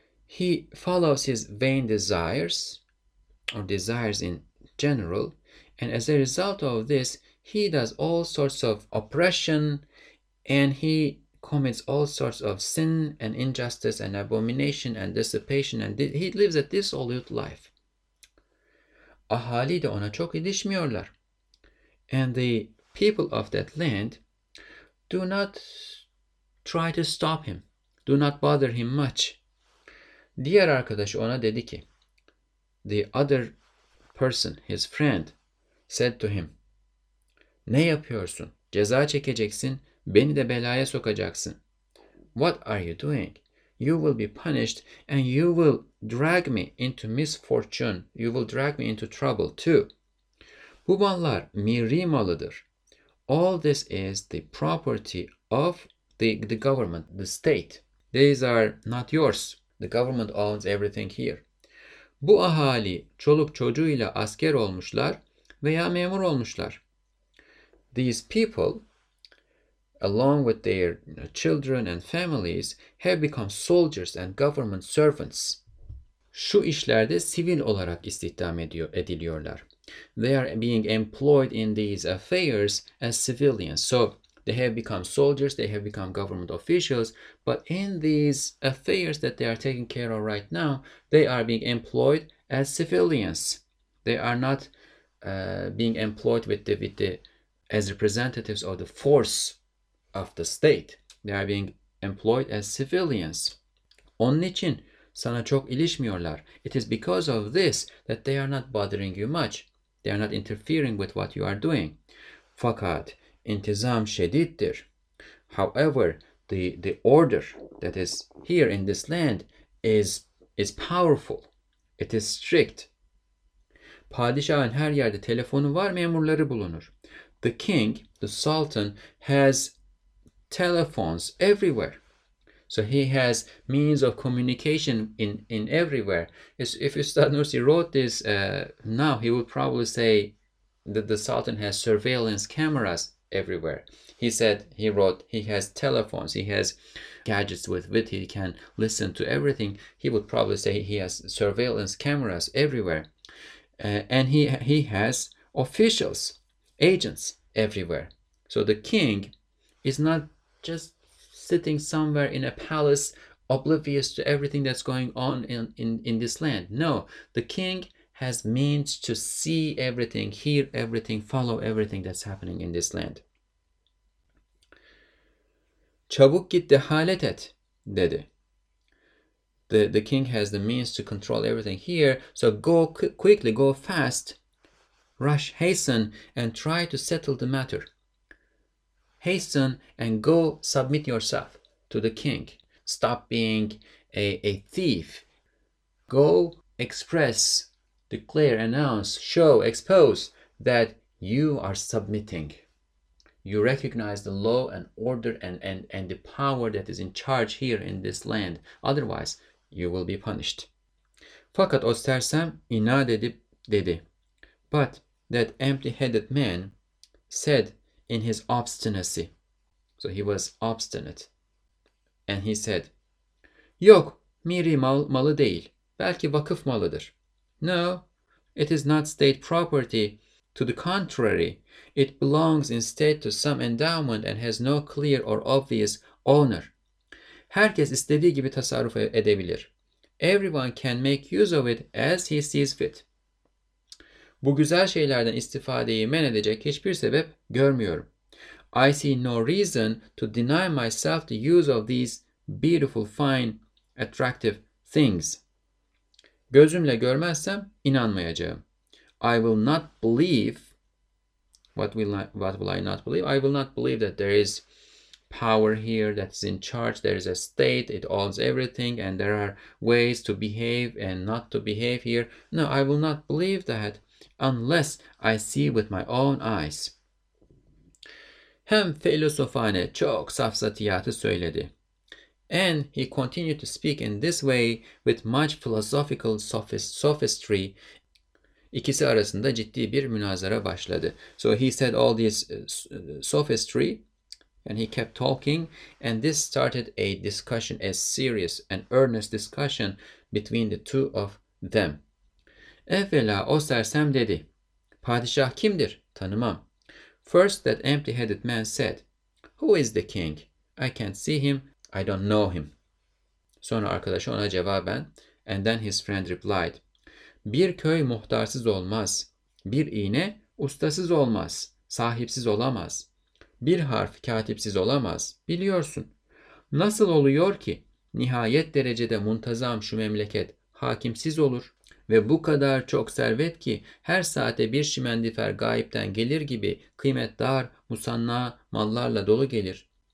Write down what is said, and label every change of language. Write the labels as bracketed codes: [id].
[en] He follows his vain desires, or desires in general, and as a result of this, he does all sorts of oppression, and he commits all sorts of sin and injustice and abomination and dissipation, and he lives a dissolute life. [tr] Ahali de ona çok ilişmiyorlar. [en] And the people of that land do not try to stop him. Do not bother him much. [tr] Diğer arkadaşı ona dedi ki, [en] the other person, his friend, said to him, [tr] ne yapıyorsun? Ceza çekeceksin, beni de belaya sokacaksın. [en] What are you doing? You will be punished and you will drag me into misfortune. You will drag me into trouble too. [tr] Bu mallar miri malıdır. [en] All this is the property of the government, the state. These are not yours. The government owns everything here. [tr] Bu ahali çoluk çocuğuyla asker olmuşlar veya memur olmuşlar. [en] These people, along with their children and families, have become soldiers and government servants. [tr] Şu işlerde sivil olarak istihdam ediliyorlar. [en] They are being employed in these affairs as civilians. So they have become soldiers, they have become government officials, but in these affairs that they are taking care of right now, they are being employed as civilians. They are not being employed with the as representatives of the force of the state. They are being employed as civilians. [tr] Onun için sana çok ilişmiyorlar. [en] It is because of this that they are not bothering you much. They are not interfering with what you are doing. [tr] Fakat intizam şedittir. [en] However, the order that is here in this land is powerful. It is strict. [tr] Padişahın her yerde telefonu var, memurları bulunur. [en] The king, the sultan, has telephones everywhere. So he has means of communication in everywhere. If Ustad Nursi wrote this now, he would probably say that the Sultan has surveillance cameras everywhere. He said, he wrote, he has telephones, he has gadgets with which he can listen to everything. He would probably say he has surveillance cameras everywhere. And he has officials, agents everywhere. So the king is not just sitting somewhere in a palace, oblivious to everything that's going on in this land. No, the king has means to see everything, hear everything, follow everything that's happening in this land. [tr] Çabuk git dehalet et, dedi. [en] The king has the means to control everything here, so go quickly, go fast, rush, hasten, and try to settle the matter. Hasten and go submit yourself to the king. Stop being a thief. Go express, declare, announce, show, expose that you are submitting. You recognize the law and order and the power that is in charge here in this land. Otherwise, you will be punished. [tr] Fakat o sersem inat edip dedi. [en] But that empty-headed man said in his obstinacy. So he was obstinate. And he said, [tr] Yok, miri malı değil. Belki vakıf malıdır. [en] No, it is not state property. To the contrary, it belongs instead to some endowment and has no clear or obvious owner. [tr] Herkes istediği gibi tasarruf edebilir. [en] Everyone can make use of it as he sees fit. [tr] Bu güzel şeylerden istifadeyi men edecek hiçbir sebep görmüyorum. [en] I see no reason to deny myself the use of these beautiful, fine, attractive things. [tr] Gözümle görmezsem inanmayacağım. [en] I will not believe, what will I not believe? I will not believe that there is power here that is in charge, there is a state, it owns everything, and there are ways to behave and not to behave here. No, I will not believe that unless I see with my own eyes. [tr] Hem filosofane çok safsatiyatı söyledi. [en] And he continued to speak in this way with much philosophical sophistry. [tr] İkisi arasında ciddi bir münazara başladı. [en] So he said all this sophistry and he kept talking and this started a discussion, a serious and earnest discussion between the two of them. [tr] Evvela o sersem dedi. Padişah kimdir? Tanımam. [en] First that empty-headed man said, Who is the king? I can't see him. I don't know him. [tr] Sonra arkadaşı ona cevaben [en] and then his friend replied, [tr] Bir köy muhtarsız olmaz. Bir iğne ustasız olmaz. Sahipsiz olamaz. Bir harf katipsiz olamaz. Biliyorsun. Nasıl oluyor ki nihayet derecede muntazam şu memleket hakimsiz olur ve bu kadar çok servet ki her saate bir şimendifer gayipten gelir gibi kıymetdar musanna mallarla dolu gelir.